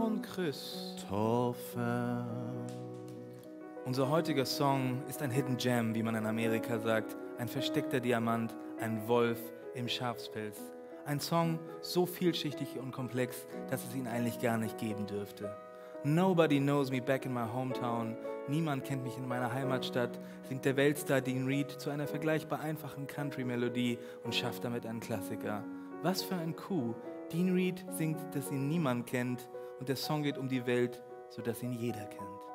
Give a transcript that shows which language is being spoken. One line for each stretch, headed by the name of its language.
German: und Chris. Toffer. Unser heutiger Song ist ein Hidden Gem, wie man in Amerika sagt. Ein versteckter Diamant, ein Wolf im Schafspelz. Ein Song so vielschichtig und komplex, dass es ihn eigentlich gar nicht geben dürfte.
English: Nobody knows me back in my hometown.
German: Niemand kennt mich in meiner Heimatstadt, singt der Weltstar Dean Reed zu einer vergleichbar einfachen Country-Melodie und schafft damit einen Klassiker. Was für ein Coup. Dean Reed singt, dass ihn niemand kennt und der Song geht um die Welt, sodass ihn jeder kennt.